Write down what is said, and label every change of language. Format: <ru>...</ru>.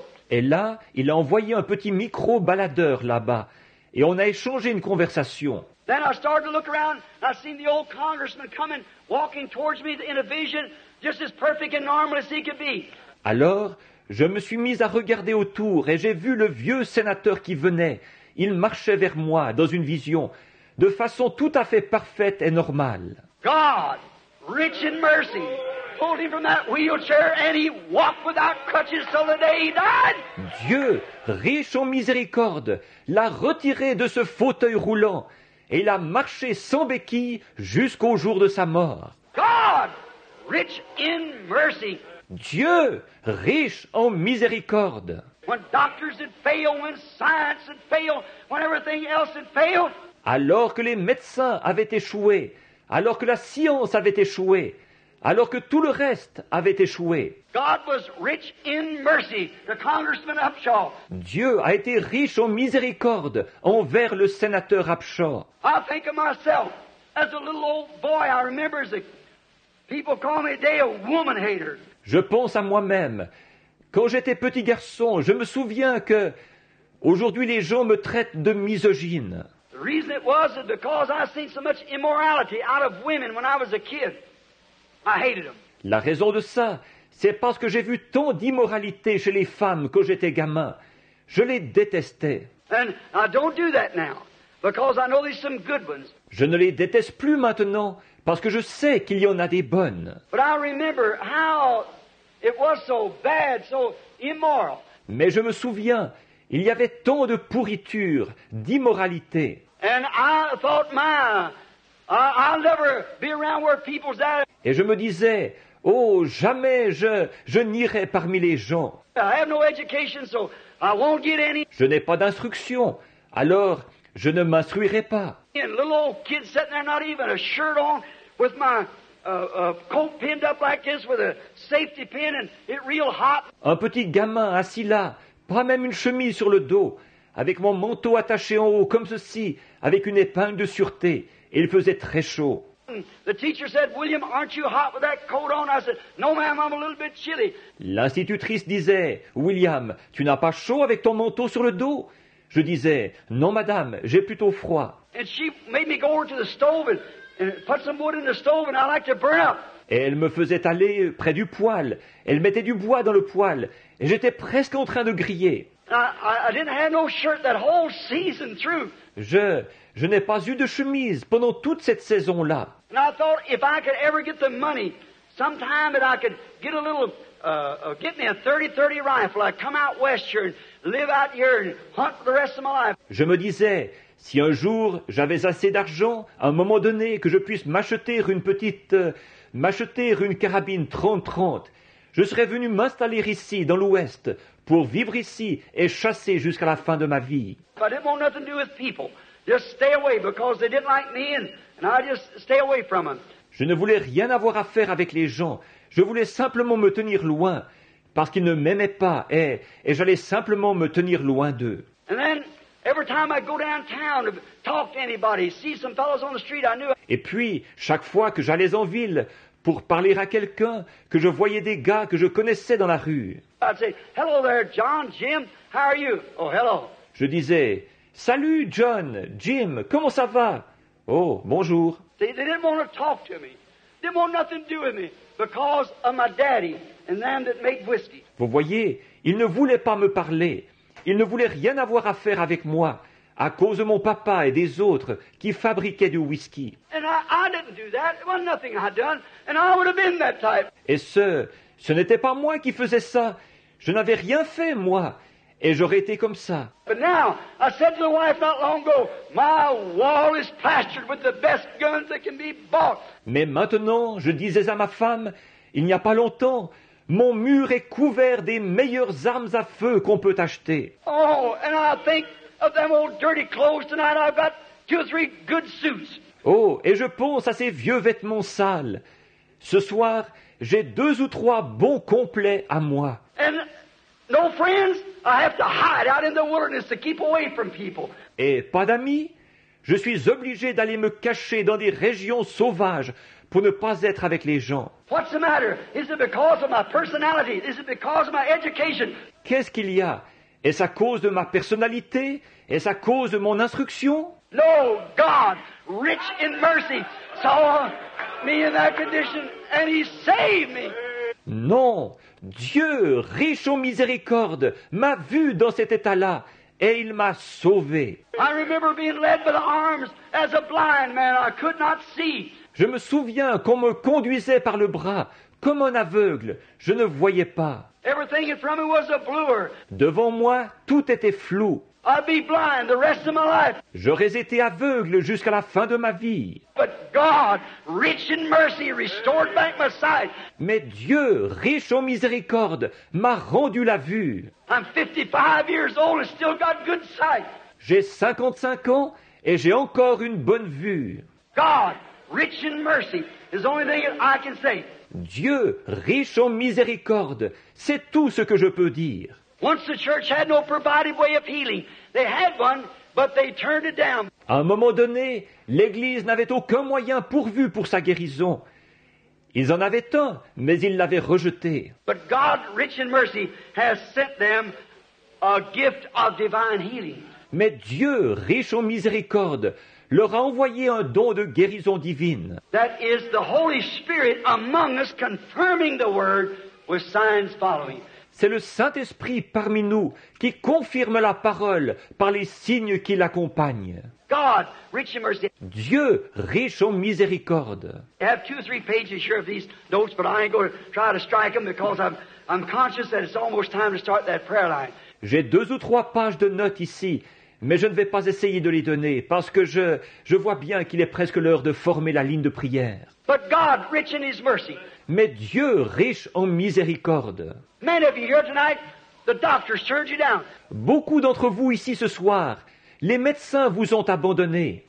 <fr>Et là, il a envoyé un petit micro baladeur là-bas. Et on a échangé une conversation.</fr> <en>Then I started to look around and I seen the old congressman coming, walking towards me in a vision, just as perfect and normal as he could be.</en> <fr>Alors, je me suis mis à regarder autour et j'ai vu le vieux sénateur qui venait. Il marchait vers moi dans une vision, de façon tout à fait parfaite et normale.</fr> <en>God, rich in mercy, pulled him from that wheelchair and he walked without crutches till the day he died.</en> <fr>Dieu, riche en miséricorde, l'a retiré de ce fauteuil roulant. Et il a marché sans béquille jusqu'au jour de sa mort.</fr> <en>God, rich in mercy.</en> <fr>Dieu, riche en miséricorde.</fr> <en>When doctors had failed, when science had failed, when everything else had failed.</en> <fr>Alors que les médecins avaient échoué, alors que la science avait échoué, alors que tout le reste avait échoué.</fr> <en>God was rich in mercy, the Congressman Upshaw.</en> <fr>Dieu a été riche en miséricorde envers le sénateur Upshaw.</fr> <en>I think of myself as a little old boy. I remember that people call me today a woman hater.</en> <fr>Je pense à moi-même. Quand j'étais petit garçon, je me souviens que aujourd'hui les gens me traitent de misogyne.</fr> <en>The reason it was is because I seen so much immorality out of women when I was a kid. I hated them.</en> <fr>La raison de ça, c'est parce que j'ai vu tant d'immoralité chez les femmes quand j'étais gamin. Je les détestais.</fr> <en>And I don't do that now because I know there's some good ones.</en> <fr>Je ne les déteste plus maintenant parce que je sais qu'il y en a des bonnes.</fr> <en>But I remember how it was so bad, so immoral.</en> <fr>Mais je me souviens, il y avait tant de pourriture, d'immoralité.</fr> <en>And I thought I'll never be around where people's at.</en> <fr>Et je me disais, oh, jamais je n'irai parmi les gens.</fr> <en>I have no education, so I won't get any.</en> <fr>Je n'ai pas d'instruction, alors je ne m'instruirai pas.</fr> <en>And little old kid sitting there, not even a shirt on, with my coat pinned up like this, with a safety pin, and it real hot.</en> <fr>Un petit gamin assis là, pas même une chemise sur le dos, avec mon manteau attaché en haut comme ceci, avec une épingle de sûreté. Et il faisait très chaud.</fr> <en>The teacher said, William, aren't you hot with that coat on? I said, no, ma'am, I'm a little bit chilly.</en> <fr>L'institutrice disait, William, tu n'as pas chaud avec ton manteau sur le dos? Je disais, non, madame, j'ai plutôt froid.</fr> <en>And she made me go over to the stove and put some wood in the stove and I like to burn up.</en> <fr>Et elle me faisait aller près du poêle. Elle mettait du bois dans le poêle et j'étais presque en train de griller.</fr> <en>I didn't have no shirt that whole season through.</en> <fr>Je n'ai pas eu de chemise pendant toute cette saison-là.</fr> <en>And I thought if I could ever get the money, sometime that I could get a little, get me a 30-30 rifle, I'd come out west here and live out here and hunt for the rest of my life.</en> <fr>Je me disais, si un jour j'avais assez d'argent, à un moment donné, que je puisse m'acheter une petite, m'acheter une carabine 30-30, je serais venu m'installer ici, dans l'ouest, pour vivre ici et chasser jusqu'à la fin de ma vie.</fr> <en>I didn't want nothing to do with people. Just stay away because they didn't like me and I just stay away from them.</en> <fr>Je ne voulais rien avoir à faire avec les gens. Je voulais simplement me tenir loin parce qu'ils ne m'aimaient pas et j'allais simplement me tenir loin d'eux.</fr> <en>And then every time I'd go downtown to talk to anybody, see some fellows on the street I knew.</en> <fr>Et puis chaque fois que j'allais en ville pour parler à quelqu'un, que je voyais des gars que je connaissais dans la rue.</fr> <en>I'd say, "Hello there, John, Jim. How are you?" Oh, hello.</en> <fr>Je disais, "Salut, John, Jim. Comment ça va?" Oh, bonjour.</fr> <en>They didn't want to talk to me. They didn't want nothing to do with me because of my daddy and them that made whiskey.</en> <fr>Vous voyez, ils ne voulaient pas me parler. Ils ne voulaient rien avoir à faire avec moi à cause de mon papa et des autres qui fabriquaient du whisky.</fr> <en>And I didn't do that. It wasn't nothing I'd done, and I would have been that type.</en> <fr>Et ce n'était pas moi qui faisais ça. Je n'avais rien fait moi. Et j'aurais été comme ça.</fr> <en>But now, I said to the wife not long ago, my wall is plastered with the best guns that can be bought.</en> <fr>Mais maintenant, je disais à ma femme, il n'y a pas longtemps, mon mur est couvert des meilleures armes à feu qu'on peut acheter.</fr> <en>Oh, and I think of them old dirty clothes tonight. I've got two or three good suits.</en> <fr>Oh, et je pense à ces vieux vêtements sales. Ce soir, j'ai deux ou trois bons complets à moi.</fr> <en>And no friends. I have to hide out in the wilderness to keep away from people.</en> <fr>Et pas d'amis? Je suis obligé d'aller me cacher dans des régions sauvages pour ne pas être avec les gens.</fr> <en>What's the matter? Is it because of my personality? Is it because of my education?</en> <fr>Qu'est-ce qu'il y a? Est-ce à cause de ma personnalité? Est-ce à cause de mon instruction?</fr> <en>No, God, rich in mercy, saw me in that condition and he saved me.</en> <fr>Non, Dieu, riche en miséricorde, m'a vu dans cet état-là et il m'a sauvé.</fr> <en>I remember being led by the arms as a blind man. I could not see.</en> <fr>Je me souviens qu'on me conduisait par le bras comme un aveugle. Je ne voyais pas.</fr> <en>Everything in front of me was a blur.</en> <fr>Devant moi, tout était flou.</fr> <en>I'd be blind the rest of my life.</en> <fr>J'aurais été aveugle jusqu'à la fin de ma vie.</fr> <en>But God, rich in mercy, restored back my sight.</en> <fr>Mais Dieu, riche en miséricorde, m'a rendu la vue.</fr> <en>I'm 55 years old and still got good sight.</en> <fr>J'ai 55 ans et j'ai encore une bonne vue.</fr> <en>God, rich in mercy, is the only thing I can say.</en> <fr>Dieu, riche en miséricorde, c'est tout ce que je peux dire.</fr> <en>Once the church had no provided way of healing. They had one, but they turned it down.</en> <fr>À un moment donné, l'église n'avait aucun moyen pourvu pour sa guérison. Ils en avaient un, mais ils l'avaient rejeté.</fr> <en>But God, rich in mercy, has sent them a gift of divine healing.</en> <fr>Mais Dieu, riche en miséricorde, leur a envoyé un don de guérison divine.</fr> <en>That is the Holy Spirit among us confirming the word with signs following.</en> <fr>C'est le Saint-Esprit parmi nous qui confirme la parole par les signes qui l'accompagnent.</fr> <en>God, rich in mercy.</en> <fr>Dieu, riche en miséricorde.</fr> <en>I have two or three pages here of these notes, but I ain't going to try to strike them because I'm conscious that it's almost time to start that prayer line.</en> <fr>J'ai deux ou trois pages de notes ici, mais je ne vais pas essayer de les donner parce que je vois bien qu'il est presque l'heure de former la ligne de prière.</fr> <en>But God, rich in his mercy.</en> <fr>Mais Dieu, riche en miséricorde.</fr> <en>Many of you here tonight, the doctor turned you down.</en> <fr>Beaucoup d'entre vous ici ce soir, les médecins vous ont abandonné.</fr>